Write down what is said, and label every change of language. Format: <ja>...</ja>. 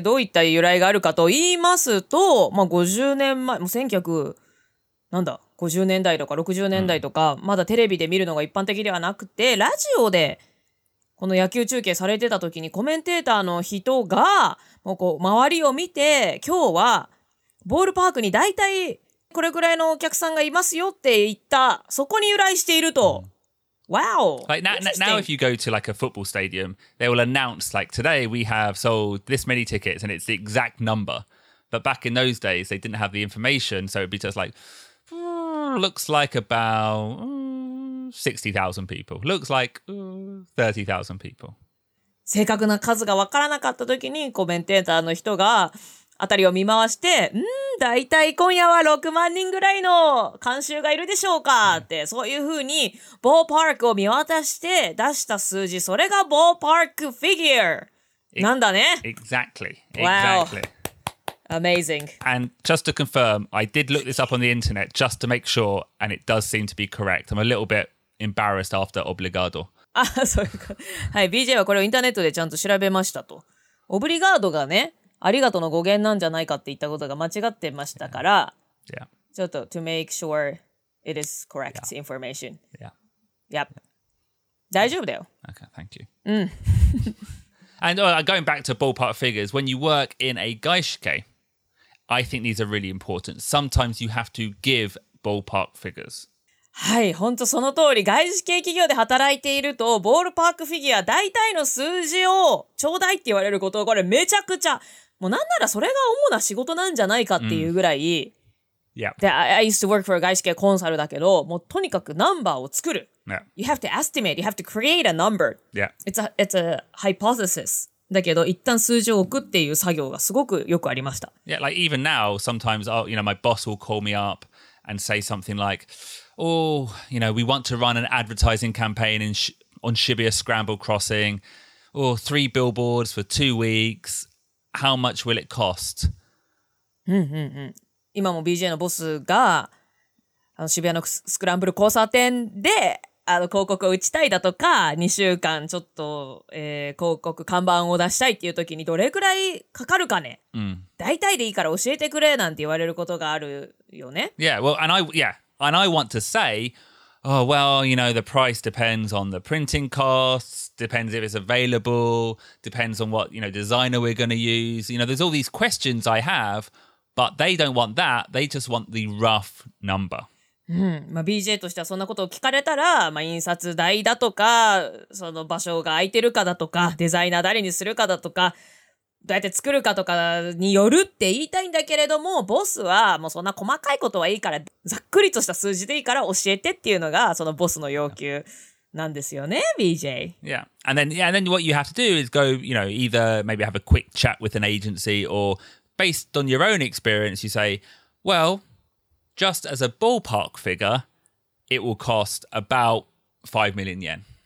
<ja>どういった由来があるかと言いますと、まあ、50年前、もう1900、なんだ、50年代とか60年代とか、うん、まだテレビで見るのが一般的ではなくて、ラジオでこの野球中継されてた時にコメンテーターの人が、もうこう周りを見て、今日はボールパークに大体、これくらいのお客さんがいますよって言った。そこに由来していると。</ja> <en>Wow! Like, now if you go to like a football stadium, they will announce like, today we have sold this many tickets and it's the exact number. But back in those days, they didn't have the information, so it'd be just like, looks like about 60,000 people. Looks like 30,000 people.</en> <ja>正確な数が分からなかった時にコメンテーターの人が、あたりを見回して、だいたい今夜は6万人ぐらいの観衆がいるでしょうかって、そういうふうに、ボーパークを見渡して出した数字、それがボーパークフィギュアなんだね。</ja> <en>Exactly. Exactly. Amazing. And just to confirm, I did look this up on the internet just to make sure, and it does seem to be correct. I'm a little bit embarrassed after obligado.</en> <ja>あ、そういうか。はい、BJ はこれをインターネットでちゃんと調べましたと。オブリガードがね、ありがとうの語源なんじゃないかって言ったことが間違ってましたから、</ja> <en>yeah. Yeah.</en> <ja>ちょっと</ja> <en>to make sure it is correct yeah. information. Yeah. Yep. Yeah.</en> <ja>大丈夫だよ。</ja> <en>Okay, thank you.</en> <ja>うん。</ja> <en>And going back to ballpark figures, when you work in a gaishike, I think these are really important. Sometimes you have to give ballpark figures.</en> <ja>はい、本当その通り。外資系企業で働いていると、ボールパークフィギュア、大体の数字をちょうだいって言われることを、これめちゃくちゃ、もうなんならそれが主な仕事なんじゃないかっていうぐらい。で、mm.</ja> <en>yeah. I used to work for a</en> <ja>外資系コンサルだけど、もうとにかくナンバーを作る。</ja> <en>Yeah. You have to estimate, you have to create a number. Yeah. It's a hypothesis.</en> <ja>だけど、一旦数字を置くっていう作業がすごくよくありました。</ja> <en>Yeah, like even now, sometimes, you know, my boss will call me up and say something like, oh, you know, we want to run an advertising campaign in on Shibuya Scramble Crossing. Oh, 3 billboards for 2 weeks. How much will it cost?</en> <ja>うんうんうん。今も BJ のボスが、あの渋谷のスクランブル交差点で、あの広告を打ちたいだとか、2週間ちょっと、広告看板を出したいっていう時にどれくらいかかるかね。うん。大体でいいから教えてくれなんて言われることがあるよね。</ja> <en>Yeah, well, and I want to say, oh, well, you know, the price depends on the printing costs, depends if it's available, depends on what, you know, designer we're going to use. You know, there's all these questions I have, but they don't want that. They just want the rough number.</en> <ja>うん、まあ、BJ としてはそんなことを聞かれたら、まあ、印刷代だとか、その場所が空いてるかだとか、デザイナー誰にするかだとか、どうやって作るかとかによるって言いたいんだけれども、ボスはもうそんな細かいことはいいから、ざっくりとした数字でいいから教えてっていうのが、そのボスの要求なんですよね、BJ。</ja> <en>Yeah. And then, yeah, and then what you have to do is go, you know, either maybe have a quick chat with an agency or based on your own experience, you say, well,Just as a ballpark figure, it will cost about 5 million yen.</en>